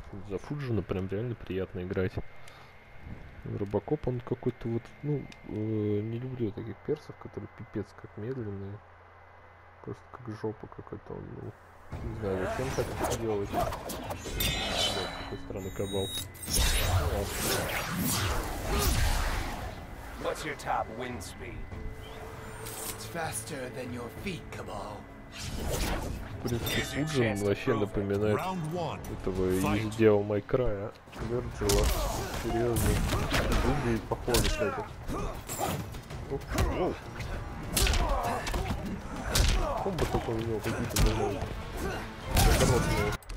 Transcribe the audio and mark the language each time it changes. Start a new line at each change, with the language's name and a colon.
Russian: За Фуджина прям реально приятно играть. Робокоп, он какой-то вот, ну, не люблю таких персов, которые пипец как медленные. Просто как жопа какой-то он, ну, не знаю, зачем так это делать. Да, какой странный кабал.
English: What's your top wind speed? It's faster than your feet, Cabal.
Russian: В принципе, Фуджин вообще напоминает этого из Devil May Cry, Вирджила. Серьезно, выглядит похоже, кстати. Комбо только у него какие-то были. Короткие.